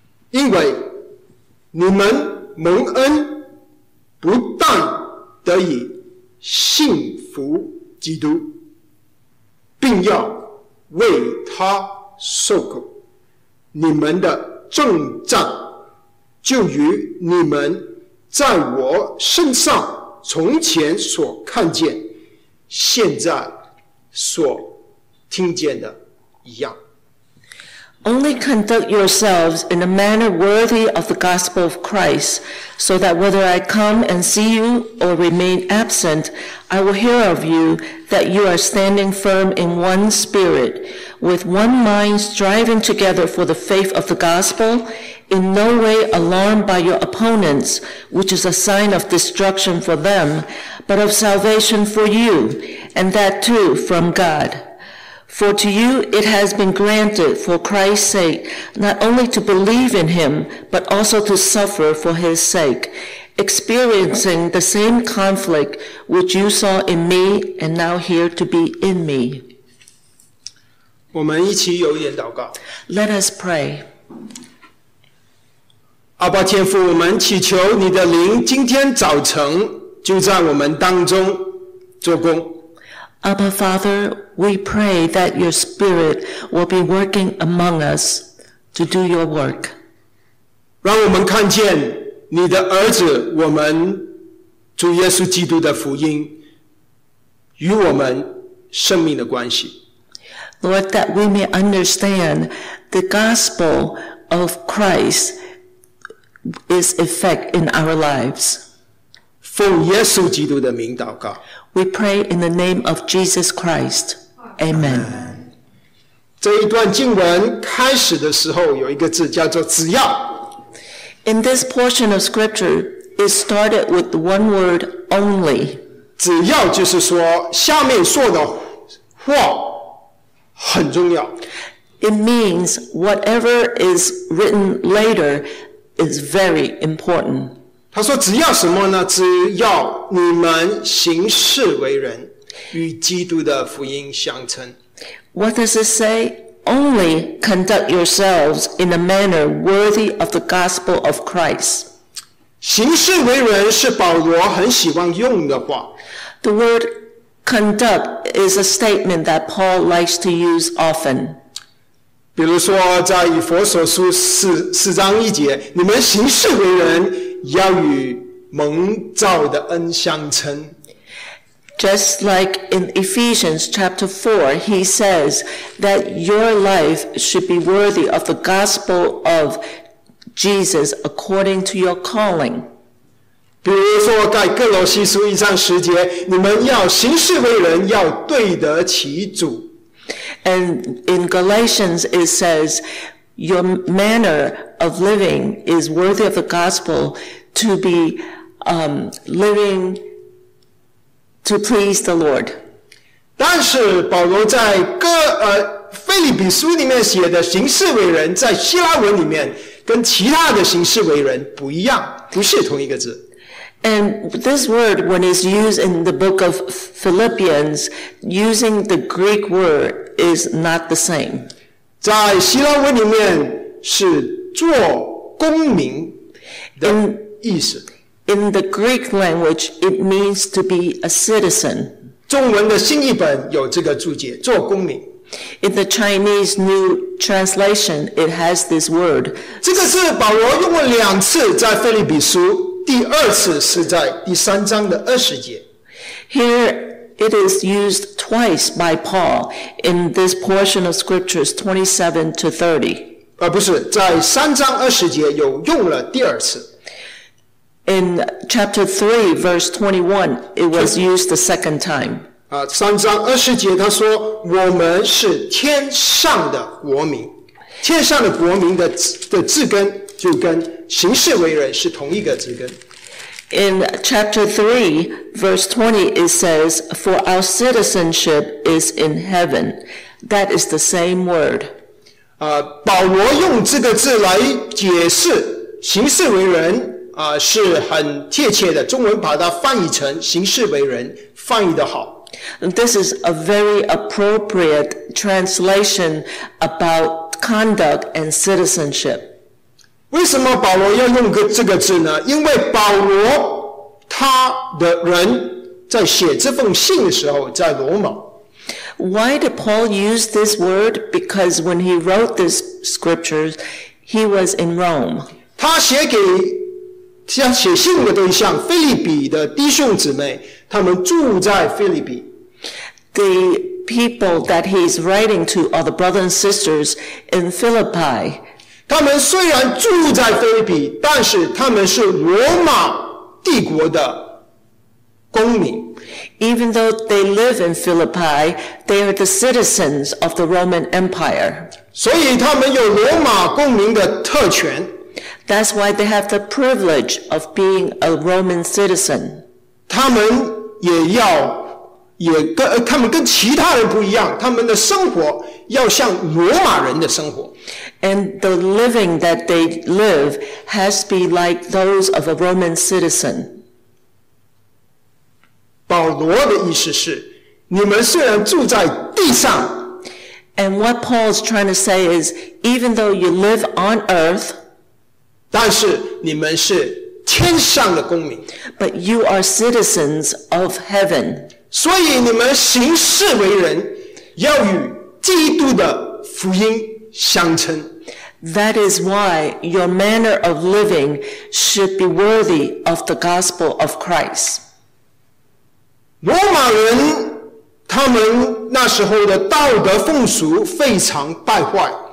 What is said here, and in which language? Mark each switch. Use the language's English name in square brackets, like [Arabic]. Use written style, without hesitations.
[Chinese] 因为你们蒙恩不但得以信服基督，并要为他受苦，你们的征战就与你们在我身上从前所看见现在所听见的一样。 [English] Only conduct yourselves in a manner worthy of the gospel of Christ, so that whether I come and see you or remain absent,I will hear of you that you are standing firm in one spirit, with one mind striving together for the faith of the gospel, in no way alarmed by your opponents, which is a sign of destruction for them, but of salvation for you, and that too from God. For to you it has been granted for Christ's sake, not only to believe in him, but also to suffer for his sake. experiencing the same conflict which you saw in me and now here to be in me. [Chinese] 我们一起有一点祷告。 [English] Let us pray. [Chinese] 阿爸天父，我们祈求你的灵今天早晨就在我们当中做工。 [English] Abba Father, we pray that your spirit will be working among us to do your work. [Chinese] 让我们看见你的儿子，我们主耶稣基督的福音与我们生命的关系。 [English] Lord, that we may understand the gospel of Christ is effect in our lives. [Chinese] 奉耶稣基督的名祷告。 [English] We pray in the name of Jesus Christ. Amen. [Chinese] 这一段经文开始的时候有一个字叫做只要。 [English] In this portion of scripture, it started with one word only. [Chinese] 只要就是说下面说的话很重要。 [English] It means whatever is written later is very important. [Chinese] 他说只要什么呢？只要你们行事为人，与基督的福音相称。 [English] What does it say? Only conduct yourselves in a manner worthy of the gospel of Christ. [Chinese] 行事为人是保罗很喜欢用的话。 [English] The word conduct is a statement that Paul likes to use often. [Chinese] 比如说在以弗所书 四章一节，你们行事为人要与蒙召的恩相称。 [English] Just like in Ephesians chapter 4, he says that your life should be worthy of the gospel of Jesus according to your calling. [Chinese] 比如说在哥罗西书1章10节，你们要行事为人要对得起主。 [English] And in Galatians it says, your manner of living is worthy of the gospel to be living to please the Lord. [Chinese] 但是保罗在腓立比书里面写的行事为人在希腊文里面跟其他的行事为人不一样，不是同一个字。 [English] And this word, when it's used in the book of Philippians, using the Greek word is not the same. [Chinese] 在希腊文里面是做公民的意思。 [English] In the Greek language, it means to be a citizen. [Chinese] 中文的新译本有这个注解，做公民。 [English] In the Chinese New Translation, it has this word. [Chinese] 这个是保罗用了两次在腓立比书。第二次是在第三章的20节。 [English] Here it is used twice by Paul in this portion of scriptures 27 to 30. [Chinese] 不是，在三章二十节有用了第二次。 [English] In chapter 3, verse 21, it was used the second time. [Chinese] 三章二十节他说：“我们是天上的国民，天上的国民的字根就跟。” 行事为人是同一个字根。 [English] In chapter 3, verse 20, it says, For our citizenship is in heaven. That is the same word. [Chinese] 保罗用这个字来解释行事为人是很贴切的。中文把它翻译成行事为人，翻译得好。 [English] This is a very appropriate translation about conduct and citizenship. [Chinese] 为什么保罗要用个这个字呢？因为保罗他的人在写这封信的时候在罗马。 [English] Why did Paul use this word? Because when he wrote this scripture, he was in Rome. [Chinese] 他写给写信的对象腓立比的弟兄姊妹，他们住在腓立比。 [English] The people that he's writing to are the brothers and sisters in Philippi. [Chinese] 他们虽然住在腓立比，但是他们是罗马帝国的公民。 [English] Even though they live in Philippi, they are the citizens of the Roman Empire. [Chinese] 所以他们有罗马公民的特权。 [English] That's why they have the privilege of being a Roman citizen. [Chinese] 他们也要也跟他们跟其他人不一样，他们的生活要像罗马人的生活。 [English] And the living that they live has to be like those of a Roman citizen. [Chinese] 保罗的意思是，你们虽然住在地上， [English] And what Paul is trying to say is, even though you live on earth, [Chinese] 但是你们是天上的公民。 [English] But you are citizens of heaven. [Chinese] 所以你们行事为人要与基督的福音相称。 [English] That is why your manner of living should be worthy of the gospel of Christ. [Chinese] 罗马人他们那时候的道德风俗非常败坏。